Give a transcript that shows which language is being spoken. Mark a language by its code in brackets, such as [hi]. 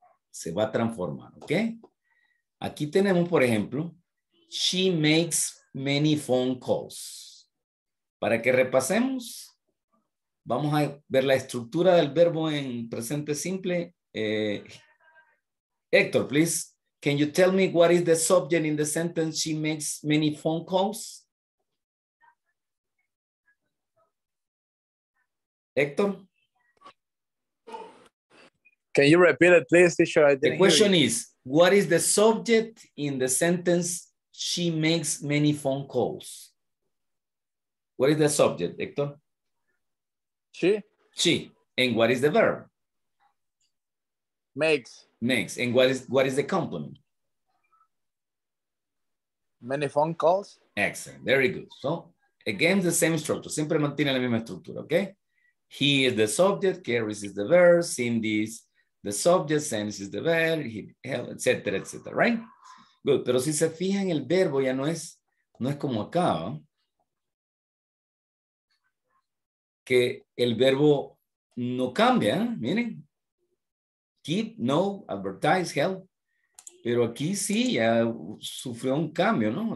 [es] Se va a transformar, ¿ok? Aquí tenemos, por ejemplo, she makes many phone calls. Para que repasemos, vamos a ver la estructura del verbo en presente simple. [en] Héctor, please, can you tell me what is the subject in the sentence she makes many phone calls? Héctor? Can you repeat it, please, teacher? The question is, what is the subject in the sentence she makes many phone calls? What is the subject, Héctor? She? She. And what is the verb? Makes. Makes. And what is the complement? Many phone calls. Excellent. Very good. So, again, the same structure. Siempre mantiene la misma estructura, okay? He is the subject, Carrie is the verb, Cindy is the subject, Sense is the verb, etc., etc., right? Good. [es] Pero si se fijan, el verbo ya no es como acá, ¿no? Que el verbo no cambia, ¿eh? Miren. Keep, no, advertise, help. Pero aquí sí, ya sufrió un cambio, ¿no?